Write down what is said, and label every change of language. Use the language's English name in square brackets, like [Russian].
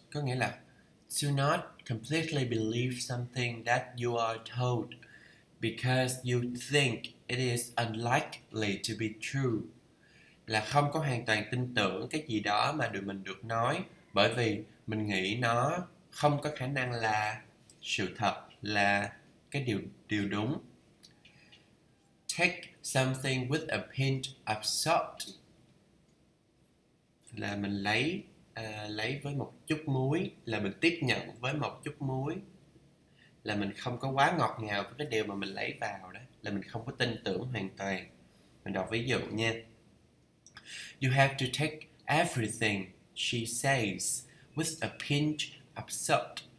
[Vietnamese] Có nghĩa là [English] do not completely believe something that you are told because you think it is unlikely to be true. [Vietnamese] Là không có hoàn toàn tin tưởng cái gì đó mà được mình được nói bởi vì mình nghĩ nó không có khả năng là sự thật, là cái điều điều đúng. [English] Take something with a pinch of salt [Vietnamese] là mình lấy với một chút muối, là mình tiếp nhận với một chút muối, là mình không có quá ngọt ngào với cái điều mà mình lấy vào đó, là mình không có tin tưởng hoàn toàn. Mình đọc ví dụ nha. [English] You have to take everything she says with a pinch of salt.